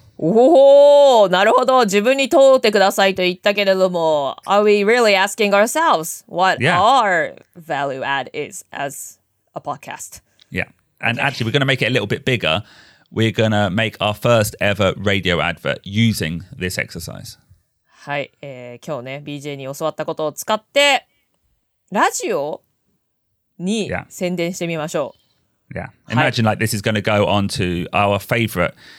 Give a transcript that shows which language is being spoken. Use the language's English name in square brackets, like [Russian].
[English] Oh, [Japanese] なるほど。自分に問うてくださいと言ったけれども、 [English] Are we really asking ourselves what our value add is as a podcast? Yeah. And actually, we're going to make it a little bit bigger. We're going to make our first ever radio advert using this exercise. [Japanese] はい。今日ね、BJ に教わったことを使って、ラジオに宣伝してみましょう。 [English] Yeah. Imagine like this is going to go on to our favorite...